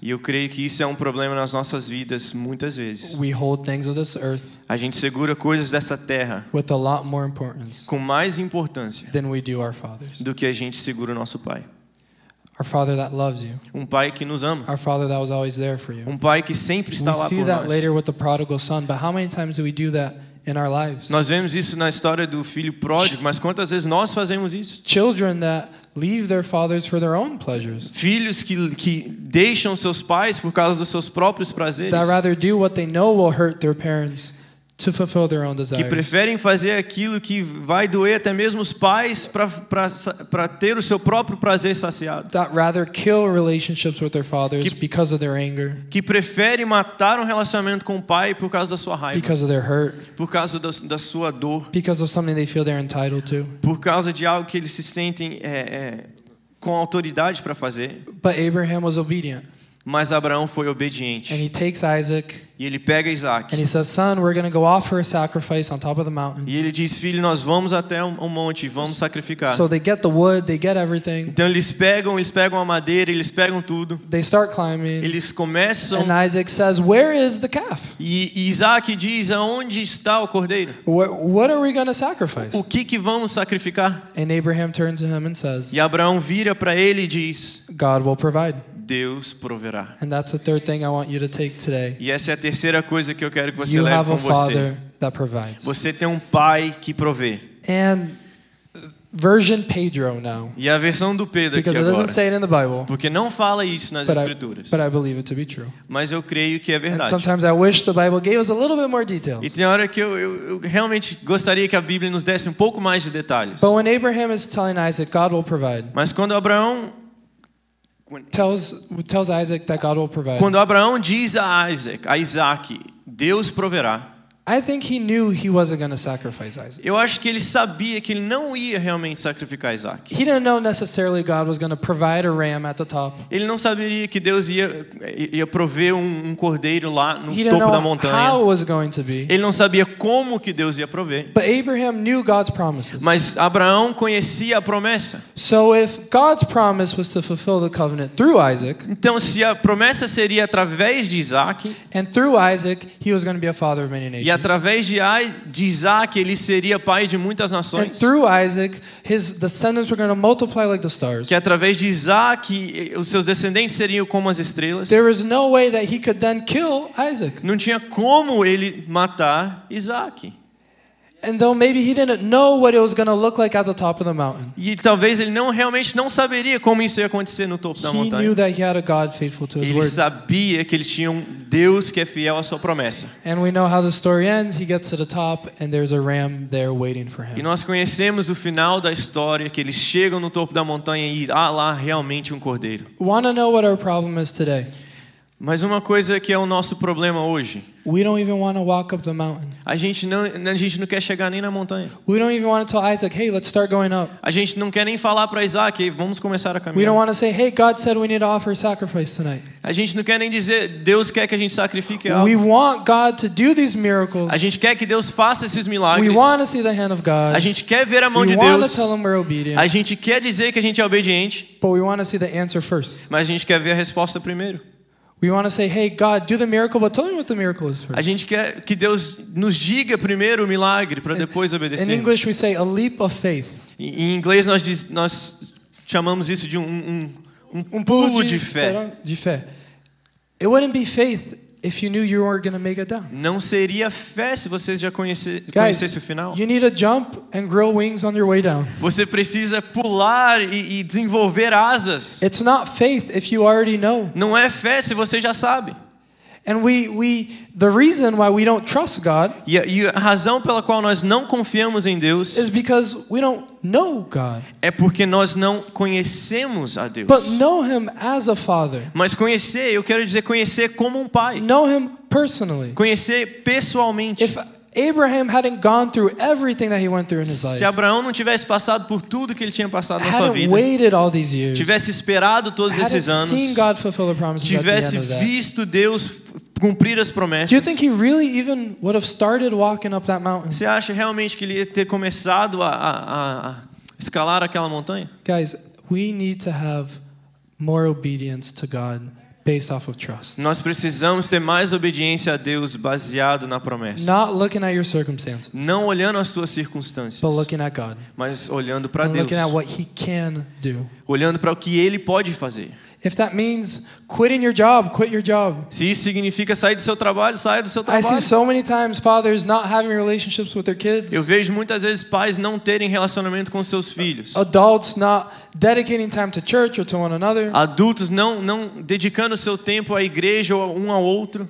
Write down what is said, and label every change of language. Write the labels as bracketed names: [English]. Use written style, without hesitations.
[Portuguese] E eu creio que isso é um problema nas nossas vidas muitas vezes. [English] We hold things of this earth. [Portuguese] A gente segura coisas dessa terra. [English] With a lot more importance. [Portuguese] Com mais importância. [English] Than we do our fathers. [Portuguese] Do que a gente segura o nosso pai. [English] Our father that loves you. [Portuguese] Um pai que nos ama. [English] Our father that was always there for you. [Portuguese] Um pai que sempre está lá por nós. [English] We see that later with the prodigal son, but how many times do we do that in our lives. [Portuguese] Nós vemos isso na história do filho pródigo, mas quantas vezes nós fazemos isso? [English] Children that leave their fathers for their own pleasures. [Portuguese] Filhos que deixam seus pais por causa dos seus próprios prazeres. [English] That rather do what they know will hurt their parents to fulfill their own desires. [Portuguese] Que preferem fazer aquilo que vai doer até mesmo os pais para ter o seu próprio prazer saciado. [English] That rather kill relationships with their fathers because of their anger. [Portuguese] Que preferem matar um relacionamento com o pai por causa da sua raiva. [English] Because of their hurt. [Portuguese] Por causa da sua dor. [English] Because of something they feel they're entitled to. [Portuguese] Por causa de algo que eles se sentem com autoridade para fazer. [English] But Abraham was obedient. [Portuguese] Mas Abraão foi obediente. [English] And he takes Isaac. [Portuguese] E ele pega Isaac. [English] And he says, "Son, we're going to go offer a sacrifice on top of the mountain." [Portuguese] E ele diz, filho, nós vamos até um monte, vamos sacrificar. [English] So they get the wood, they get everything. [Portuguese] Então eles pegam a madeira, eles pegam tudo. [English] They start climbing. [Portuguese] Eles começam. [English] And Isaac says, "Where is the calf?" [Portuguese] E Isaac diz, aonde está o cordeiro? [English] What are we going to sacrifice? [Portuguese] O que vamos sacrificar? [English] And Abraham turns to him and says. [Portuguese] E Abraão vira para ele e diz, [English] God will provide. [Portuguese] Deus proverá. [English] And that's the third thing I want you to take today. [Portuguese] E essa é a terceira coisa que eu quero que você [English] you [Portuguese] leve [English] have [Portuguese] com [English] a father [Portuguese] você. [English] That provides. [Portuguese] Você tem um pai que provê. [English] And version Pedro now. [Portuguese] E a versão do Pedro [English] because [Portuguese] aqui [English] it [Portuguese] agora. [English] Doesn't say it in the Bible. [Portuguese] Porque não fala isso nas escrituras. [English] But I believe it to be true. [Portuguese] Mas eu creio que é verdade. [English] And sometimes I wish the Bible gave us a little bit more details. [Portuguese] E tem hora que eu realmente gostaria que a Bíblia nos desse um pouco mais de detalhes. [English] But when Abraham is telling Isaac God will provide. [Portuguese] Mas quando Abraão [English] tells Isaac that God will provide. [Portuguese] Quando Abraão diz a Isaac, Deus proverá. [English] I think he knew he wasn't going to sacrifice Isaac. [Portuguese] Eu acho que ele sabia que ele não ia realmente sacrificar Isaac. [English] He didn't know necessarily God was going to provide a ram at the top. [Portuguese] Ele não saberia que Deus ia prover um cordeiro lá no [English] he didn't [Portuguese] topo [English] know [Portuguese] da montanha. [English] How it was going to be. [Portuguese] Ele não sabia como que Deus ia prover. [English] But Abraham knew God's promises. [Portuguese] Mas Abraão conhecia a promessa. [English] So if God's promise was to fulfill the covenant through Isaac, [Portuguese] então se a promessa seria através de Isaac, [English] and through Isaac he was going to be a father of many nations. [Portuguese] E através de Isaac ele seria pai de muitas nações. [English] And through Isaac, his descendants were going to multiply like the stars. [Portuguese] Que através de Isaac os seus descendentes seriam como as estrelas. [English] There is no way that he could then kill Isaac. [Portuguese] Não tinha como ele matar Isaac. [English] And though maybe he didn't know what it was going to look like at the top of the mountain. [Portuguese] E talvez ele não realmente não saberia como isso ia acontecer no topo da montanha. [English] He knew that he had a God faithful to his word. [Portuguese] Ele sabia que ele tinha um Deus que é fiel à sua promessa. [English] And we know how the story ends. He gets to the top and there's a ram there waiting for him. [Portuguese] E nós conhecemos o final da história que eles chegam no topo da montanha e há lá realmente um cordeiro. [English] Want to know what our problem is today? [Portuguese] Mas uma coisa que é o nosso problema hoje. [English] We don't even want to walk up the mountain. [Portuguese] A gente não quer chegar nem na montanha. [English] We don't even want to tell Isaac, "Hey, let's start going up." [Portuguese] A gente não quer nem falar para Isaac, "Hey, vamos começar a caminhar." [English] We don't want to say, "Hey, God said we need to offer a sacrifice tonight." [Portuguese] A gente não quer nem dizer, "Deus quer que a gente sacrifique algo." [English] We want God to do these miracles. [Portuguese] A gente quer que Deus faça esses milagres. [English] We want to see the hand of God. [Portuguese] A gente quer ver a mão [English] we [Portuguese] de [English] want [Portuguese] Deus. [English] To tell him we're obedient. [Portuguese] A gente quer dizer que a gente é obediente. [English] But we want to see the answer first. [Portuguese] Mas a gente quer ver a resposta primeiro. [English] We want to say, "Hey, God, do the miracle, but tell me what the miracle is first." [Portuguese] A gente quer que Deus nos diga primeiro o milagre para depois obedecer. [English] In English, we say a leap of faith. [Portuguese] Em inglês, nós chamamos isso de um pulo de fé. [English] It wouldn't be faith if you knew you weren't going to make it down. [Portuguese] Não seria fé se você já conhecesse o final. [English] You need to jump and grow wings on your way down. [Portuguese] Você precisa pular e desenvolver asas. [English] It's not faith if you already know. [Portuguese] Não é fé se você já sabe. [English] And we the reason why we don't trust God. [Portuguese] E a razão pela qual nós não confiamos em Deus. [English] Is because we don't know God. [Portuguese] É porque nós não conhecemos a Deus. [English] But know him as a father. [Portuguese] Mas conhecer, eu quero dizer conhecer como um pai. [English] Know him personally. [Portuguese] Conhecer pessoalmente. [English] If Abraham hadn't gone through everything that he went through in his life. [Portuguese] Se Abraão não tivesse passado por tudo que ele tinha passado na sua vida. [English] Waited all these years. [Portuguese] Tivesse esperado todos esses anos. [English] Seen God fulfill the promises. [Portuguese] Tivesse visto Deus cumprir as promessas. [English] Do you think he really even would have started walking up that mountain? [Portuguese] Você acha realmente que ele ia ter começado a escalar aquela montanha? [English] Guys, we need to have more obedience to God based off of trust. [Portuguese] Nós precisamos ter mais obediência a Deus baseado na promessa. [English] Not looking at your circumstances. [Portuguese] Não olhando as suas circunstâncias. [English] But looking at God. [Portuguese] Mas olhando para Deus. [English] Looking at what he can do. [Portuguese] Olhando para o que ele pode fazer. [English] If that means quitting your job, quit your job. [Portuguese] Se isso significa sair do seu trabalho, saia do seu trabalho. [English] I see so many times fathers not having relationships with their kids. [Portuguese] Eu vejo muitas vezes pais não terem relacionamento com seus filhos. [English] Adults not dedicating time to church or to one another. [Portuguese] Adultos não dedicando seu tempo à igreja ou um ao outro.